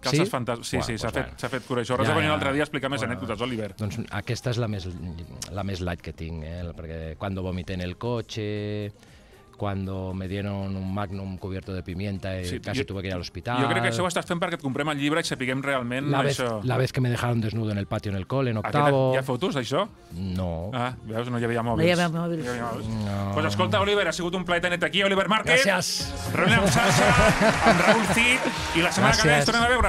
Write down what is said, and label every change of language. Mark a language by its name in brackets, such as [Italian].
[Catalan] Sí, s'ha fet cura. Això res de venir l'altre dia a explicar més anècdotes, Oliver. Doncs aquesta és la més light que tinc, perquè quan vomité en el cotxe... [Spanish] Cuando me dieron un magnum cubierto de pimienta y casi tuve que ir al hospital. [Catalan] Jo crec que això ho estàs fent perquè et comprem el llibre i sapiguem realment això. [Spanish] La vez que me dejaron desnudo en el patio en el cole, en octavo... [Catalan] Hi ha fotos d'això? No. Ah, veus, no hi havia mòbils. No hi havia mòbils. Pues escolta, Oliver, ha sigut un plaer tenir-te aquí, Oliver Márquez. Gràcies. Reunió amb Sasha, amb Raúl Cid, i la setmana que ve ens tornem a veure.